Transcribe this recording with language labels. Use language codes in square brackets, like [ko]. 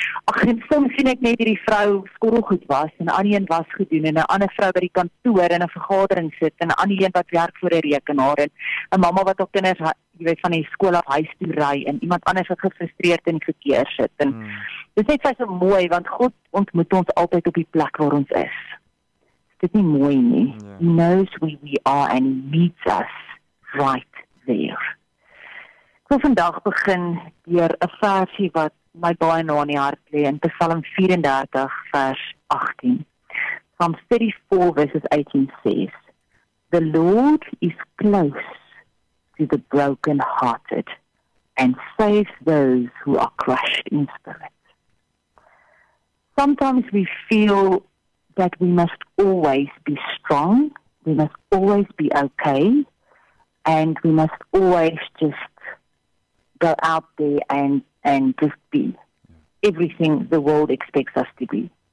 [af] ach, en soms sien ek net die vrou skorrelgoed was, en aan die een was gedoen, en 'n ander vrou by die kantoor, en 'n vergadering sit, en aan die een wat werk voor 'n rekenaar, en 'n mama wat ook kinders, jy weet, van die skool af huis toe ry, en iemand anders wat gefrustreerd en gekeer sit, en dit is net so mooi, want God ontmoet ons altyd op die plek waar ons is. Dit is nie mooi nie. Yeah. [en] He knows where we are and meets us right there. [af] Ek wil vandag begin deur 'n versie wat my baie na in die hart lê in Psalm 34 vers 18. [en] Psalm 34 verses 18 says, "The Lord is close to the brokenhearted and saves those who are crushed in spirit." Sometimes we feel that we must always be strong, we must always be okay, and we must always just go out there and just be everything the world expects us to be.